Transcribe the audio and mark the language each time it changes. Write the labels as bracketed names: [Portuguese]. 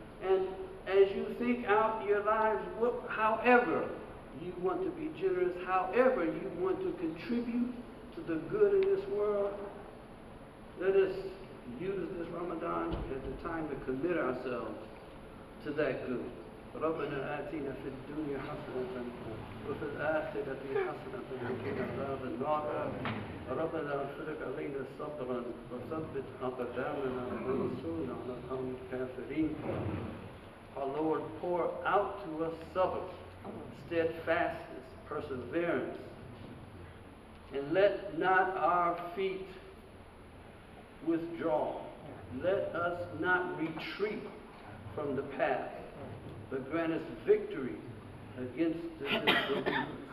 [English] And as you think out your lives, however you want to be generous, however you want to contribute to the good in this world, let us use this Ramadan as a time to commit ourselves to that good. [Arabic] ربنا آتينا في الدنيا حسنة وفي الآخرة حسنة وقنا عذاب النار ربنا أفرغ علينا صبرا وثبت أقدامنا وانصرنا على القوم الكافرين. [English] Our Lord, pour out to us sabr, steadfastness, perseverance, and let not our feet withdraw. Let us not retreat from the path, but grant us victory against the disbelievers.